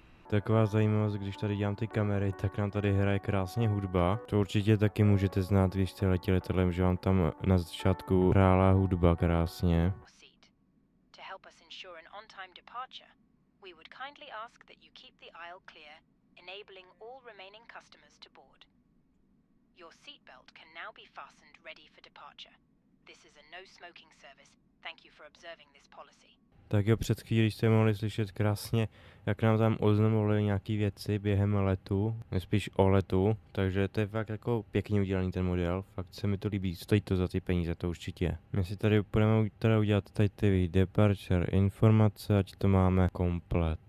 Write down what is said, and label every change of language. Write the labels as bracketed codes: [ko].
[cs] Taková zajímavost, když tady dělám ty kamery, tak nám tady hraje krásně hudba. To určitě taky můžete znát, když jste letěli letadlem, že vám tam na začátku hrála hudba krásně. [en] To help us ensure an on-time departure, we would kindly ask that you keep the aisle clear, enabling all remaining customers to board. Your seat belt can now be fastened ready for departure. This is a no smoking service. Thank you for observing this policy. [cs] Tak jo, před chvílí jste mohli slyšet krásně, jak nám tam oznamovali nějaký věci během letu, nespíš o letu, takže to je fakt jako pěkně udělaný ten model, fakt se mi to líbí, stojí to za ty peníze, to určitě. My si tady půjdeme teda udělat tady ty departure informace, ať to máme komplet.